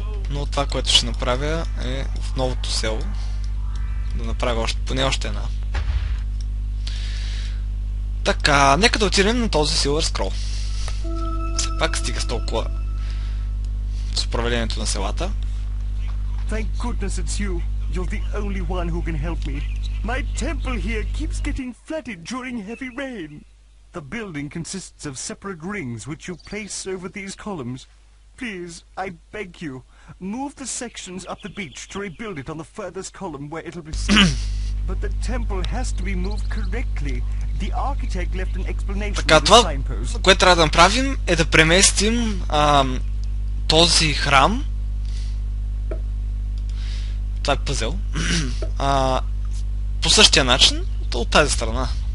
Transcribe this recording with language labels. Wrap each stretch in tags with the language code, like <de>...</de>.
<bg>Но това, което ще направя е в новото село. Да направя още, поне още една. Така, нека да отидем на този Silver Scroll. Все пак стига с толкова с управлението на селата.</bg> <en>Thank goodness it's you. You're the only one who can help me. My temple here keeps getting flooded during heavy rain. The building consists of separate rings which you place over these columns. Please, I beg you, move the sections up the beach to rebuild it on the furthest column where it'll be seen. But the temple has to be moved correctly. The architect left an explanation.</en> <bg>Така, това, което трябва да направим е да преместим този храм. Това е пъзел. По същия начин, от тази страна.</bg>